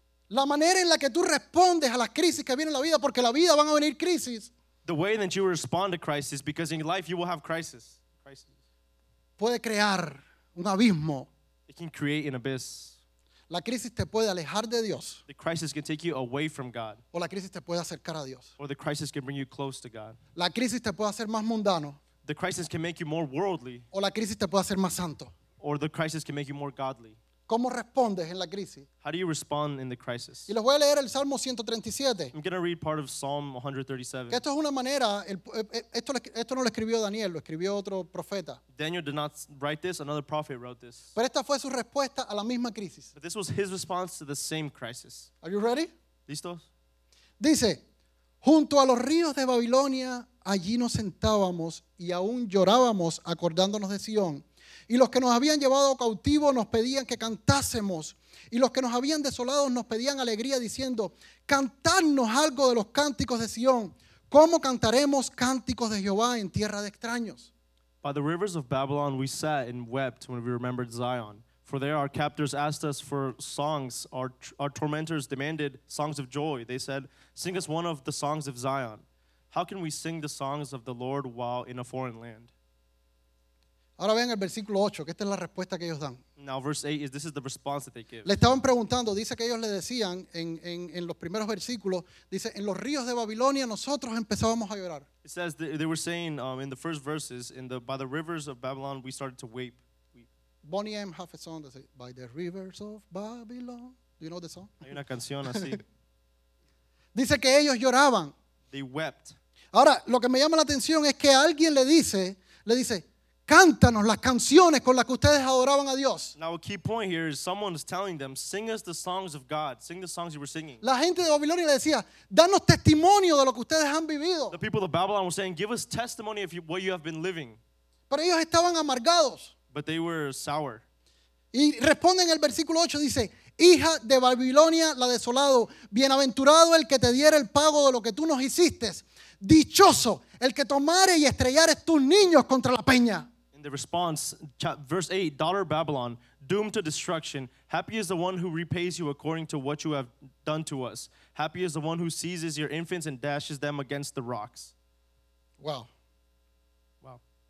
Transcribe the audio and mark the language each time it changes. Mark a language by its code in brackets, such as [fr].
[es] La manera en la que tú respondes a las crisis que vienen en la vida, porque la vida van a venir crisis. [en] The way that you respond to crisis, because in life you will have crisis. [es] Puede crear un abismo. [en] It can create an abyss. [es] La crisis te puede alejar de Dios. [en] The crisis can take you away from God. [es] O la crisis te puede acercar a Dios. [en] Or the crisis can bring you close to God. [es] La crisis te puede hacer más mundano. [en] The crisis can make you more worldly. [es] O la crisis te puede hacer más santo. [en] Or the crisis can make you more godly. [es] ¿Cómo respondes en la crisis? [en] How do you respond in the crisis? [es] Y les voy a leer el Salmo 137. [en] I'm going to read part of Psalm 137. [es] Esto es una manera, esto no lo escribió Daniel, lo escribió otro profeta. [en] Daniel did not write this, another prophet wrote this. [es] Pero esta fue su respuesta a la misma crisis. [en] But this was his response to the same crisis. Are you ready? [es] ¿Listos? Dice, junto a los ríos de Babilonia, allí nos sentábamos y aún llorábamos acordándonos de Sion. Y los que nos habían llevado cautivo nos pedían que cantásemos. Y los que nos habían desolado nos pedían alegría diciendo, cantadnos algo de los cánticos de Sion. ¿Cómo cantaremos cánticos de Jehová en tierra de extraños? [en] By the rivers of Babylon we sat and wept when we remembered Zion. For there our captors asked us for songs. Our tormentors demanded songs of joy. They said, sing us one of the songs of Zion. How can we sing the songs of the Lord while in a foreign land? [es] Ahora vean el versículo 8, que esta es la respuesta que ellos dan. [en] Now verse 8, this is the response that they give. [es] Le estaban preguntando, dice que ellos le decían en los primeros versículos, dice, en los ríos de Babilonia nosotros empezábamos a llorar. [en] It says they were saying in the first verses, by the rivers of Babylon we started to weep. Bonnie M. have a song that says, by the rivers of Babylon. Do you know the song? [es] Hay una canción así. Dice que ellos lloraban. [en] They wept. [es] Ahora, lo que me llama la atención es que alguien le dice, cántanos las canciones con las que ustedes adoraban a Dios. [en] Now a key point here is someone is telling them, sing us the songs of God, sing the songs you were singing. [es] La gente de Babilonia le decía, danos testimonio de lo que ustedes han vivido. [en] The people of Babylon were saying, give us testimony of what you have been living. [es] Pero ellos estaban amargados. [en] But they were sour. [es] Y responde en el versículo 8, dice, hija de Babilonia, la desolado, bienaventurado el que te diera el pago de lo que tú nos hiciste. Dichoso el que tomare y estrellare tus niños contra la peña. [en] In the response, verse 8, daughter Babylon, doomed to destruction. Happy is the one who repays you according to what you have done to us. Happy is the one who seizes your infants and dashes them against the rocks. Wow. Wow.